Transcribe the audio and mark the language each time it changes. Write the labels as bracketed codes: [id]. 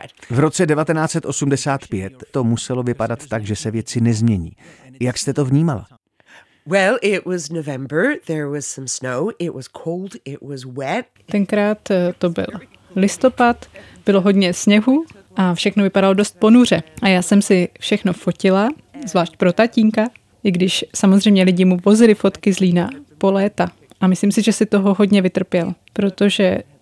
[cs] V roce 1985 to muselo vypadat tak, že se věci nezmění. Jak jste to vnímala? [en] Well, it was November, there was some snow, it was cold, it was wet. [cs] Tenkrát to byl listopad, bylo hodně sněhu a všechno vypadalo dost ponuře. A já jsem si všechno fotila, zvlášť pro tatínka, i když samozřejmě lidi mu vozili fotky z Lína po léta. A myslím si, že si toho hodně vytrpěl, protože